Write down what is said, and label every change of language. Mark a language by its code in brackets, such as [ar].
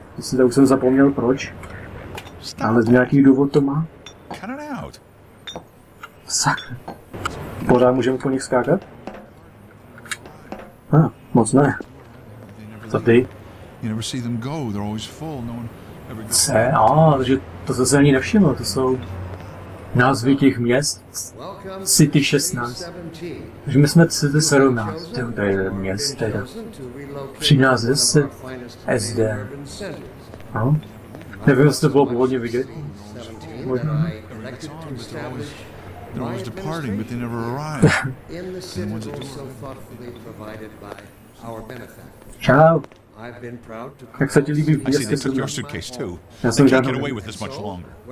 [cs] Myslím, že už jsem zapomněl proč. Ale z nějaký důvod to má. Sakra. Pořád můžeme po nich skákat? A, moc ne. Co ty? [en] You never see them go, they're always full, no one ever goes. [cs] Se, takže to se ani nevšiml, to jsou názvy těch měst, City 16. Takže my jsme City 17, to je jeden měst teda. 13 SD. No? Nevím, jestli to bylo původně vidět. Možná? [en] They're always departing, but they never arrive. In the city so thoughtfully provided by our benefactor. Ciao. I've been proud to call. [cs] Jak se ti líbí v městě? [en] I see they took your suitcase too. They can't get away with this much longer.